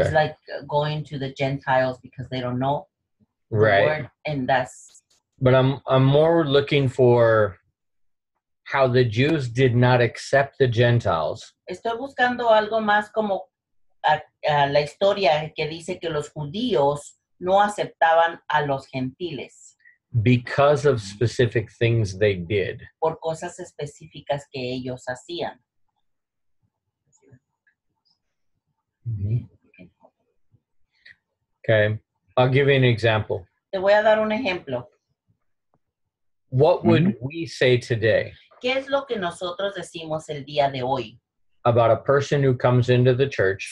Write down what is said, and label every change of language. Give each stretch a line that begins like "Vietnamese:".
English: It's like going to the Gentiles because they don't know the right. word, and that's. But I'm more looking for how the Jews did not accept the Gentiles.
Spanish: Estoy buscando algo más como la historia que dice que los judíos no aceptaban a los gentiles.
English: Because of specific things they did.
Spanish: Por cosas específicas que ellos hacían.
English: Mm-hmm. Okay, I'll give you an example.
Spanish: Te voy a dar un ejemplo.
English: What would mm-hmm. we say today?
Spanish: ¿Qué es lo que nosotros decimos el día de hoy?
English: About a person who comes into the church.